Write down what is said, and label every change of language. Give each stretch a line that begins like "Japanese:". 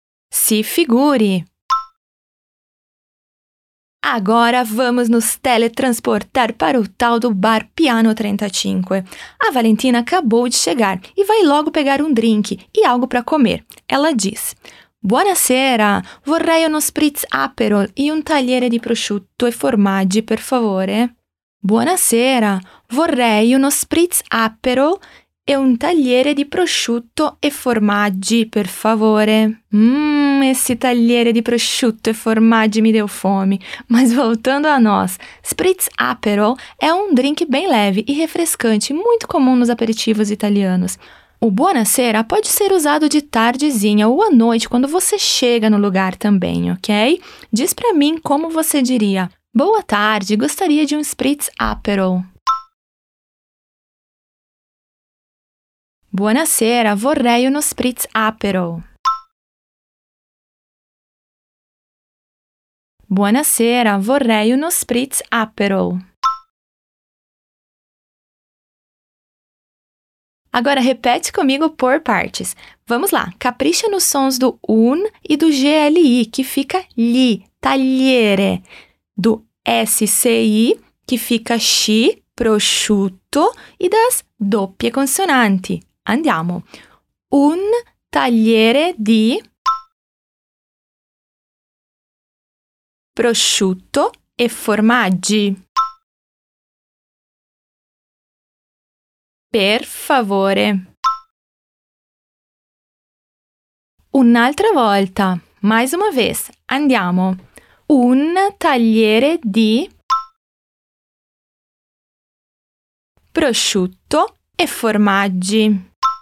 Italian: Si figuri.
Portuguese: Agora, vamos nos teletransportar para o tal do bar Piano 35. A Valentina acabou de chegar e vai logo pegar um drink e algo para comer. Ela diz,
Italian: Buonasera, vorrei uno spritz aperol e un tagliere di prosciutto e formaggi, per favore. Buonasera, vorrei uno spritz aperol e un tagliere di prosciutto e formaggi, per favore.
Portuguese: Esse
Italian: tagliere di prosciutto e formaggi
Portuguese: mi deu fome. Mas voltando a nós, spritz aperol é um drink bem leve e refrescante, muito comum nos aperitivos italianos. O buonasera pode ser usado de tardezinha ou à noite, quando você chega no lugar também, ok? Diz para mim como você diria. Boa tarde, gostaria de um spritz aperol.
Italian: Buonasera, vorrei uno spritz aperol. Buonasera, vorrei uno spritz Aperol.
Portuguese: Agora repete comigo por partes. Vamos lá, capricha nos sons do un e do gli, que fica li, tagliere. Do sci, que fica chi, prosciutto, e das doppie consonanti.
Italian: Andiamo. Un tagliere di prosciutto e formaggi. Per favore. Un'altra volta,
Portuguese: mais uma vez,
Italian: andiamo. Un tagliere di prosciutto e formaggi.